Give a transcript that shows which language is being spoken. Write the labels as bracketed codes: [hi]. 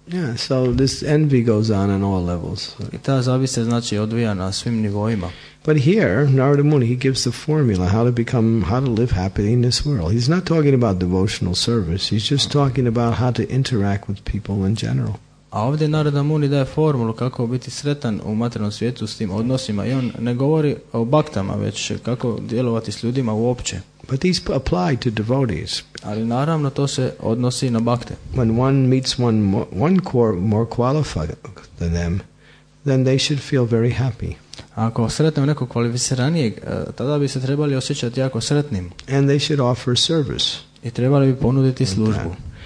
[en] Yeah, so this envy goes on all levels. [bs] I ta zavist se znači odvija na svim nivoima. [en] But here, Narada Muni, he gives the formula how to live happily in this world. He's not talking about devotional service. He's just talking about how to interact with people in general. [bs] A ovdje Narada Muni daje formulu kako biti sretan u materijalnom svijetu s tim odnosima. I on ne govori o baktama, već kako djelovati s ljudima uopće. [en] But these apply to devotees. [bs] Ali naravno to se odnosi na bhakte. [en] When one meets one more qualified than them, then they should feel very happy. [bs] Ako sretnemo nekog kvalificiranijeg, tada bi se trebali osjećati jako sretnim. [en] And they should offer service. [bs] I trebali bi ponuditi službu.